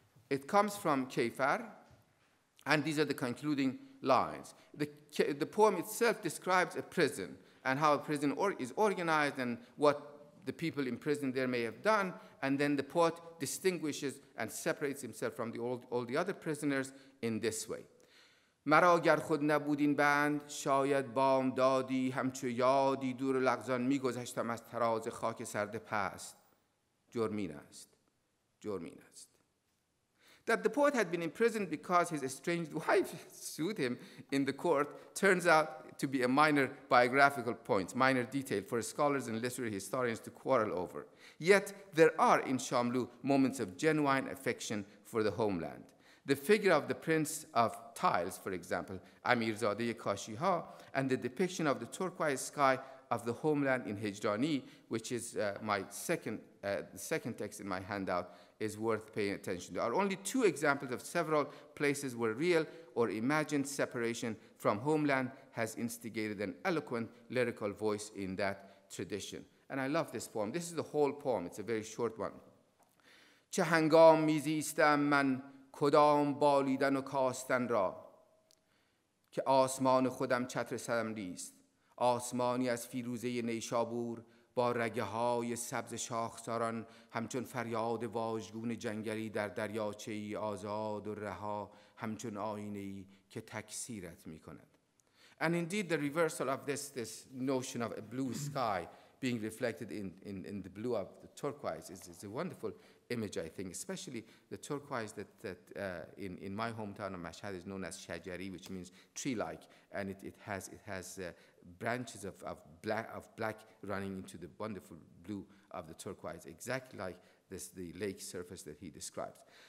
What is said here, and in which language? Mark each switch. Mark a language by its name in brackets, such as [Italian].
[English] It comes from Kefar, and these are the concluding lines. The poem itself describes a prison, and how a prison is organized, and what the people imprisoned there may have done, and then the poet distinguishes and separates himself from all the other prisoners in this way. [Persian] مرا اگر خود نبود این بند شاید بام دادی همچو یادی دور لغزان می گذشتم از تراز خاک سرد پست جرمین است جرمین است. [English] That the poet had been imprisoned because his estranged wife sued him in the court turns out to be a minor biographical point, minor detail for scholars and literary historians to quarrel over. Yet there are in Shamlu moments of genuine affection for the homeland. The figure of the Prince of Tiles, for example, Amirzadeh Kashiha, and the depiction of the turquoise sky of the homeland in Hijrani, which is my second, the second text in my handout, is worth paying attention to. There are only two examples of several places where real or imagined separation from homeland has instigated an eloquent lyrical voice in that tradition. And I love this poem. This is the whole poem. It's a very short one. [Persian] چهنگام میزیستم من کدام بالیدن و کاستن را که آسمان خودم چتر سرم نیست آسمانی از فیروزه نیشابور با رگه‌های سبز شاخساران همچون فریاد واژگون جنگلی در دریاچه‌ای آزاد و رها همچون آینه‌ای که تکثیرت می‌کند. [English] And indeed the reversal of this notion of a blue sky being reflected in the blue of the turquoise is a wonderful image, I think, especially the turquoise that in my hometown of Mashhad is known as shajari, which means tree-like, and it has branches of black running into the wonderful blue of the turquoise, exactly like this the lake surface that he describes.